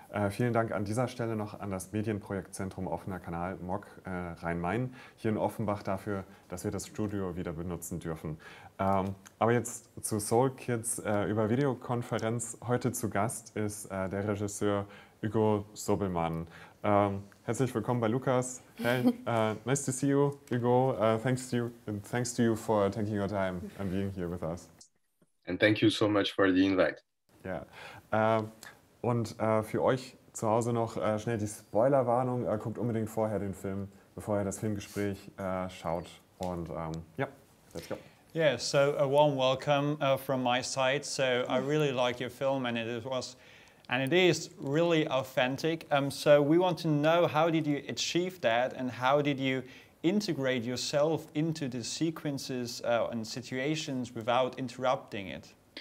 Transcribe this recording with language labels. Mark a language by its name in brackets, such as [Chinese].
[German] Vielen Dank an dieser Stelle noch an das Medienprojektzentrum Offener Kanal MOC Rhein-Main hier in Offenbach dafür, dass wir das Studio wieder benutzen dürfen. Aber jetzt zu Soul Kids über Videokonferenz. Heute zu Gast ist der Regisseur Hugo Sobelman. Herzlich willkommen bei Lukas. [English] Hey, nice to see you, Hugo. Thanks to you for taking your time and being here with us. And thank you so much for the invite. Yeah. [German] Und für euch zu Hause noch schnell die Spoilerwarnung. Guckt unbedingt vorher den Film, bevor ihr das Filmgespräch schaut. Und ja, [English] let's go. Yeah, so a warm welcome from my side. So I really like your film, and it is really authentic. So we want to know, how did you achieve that, and how did you integrate yourself into the sequences and situations without interrupting it?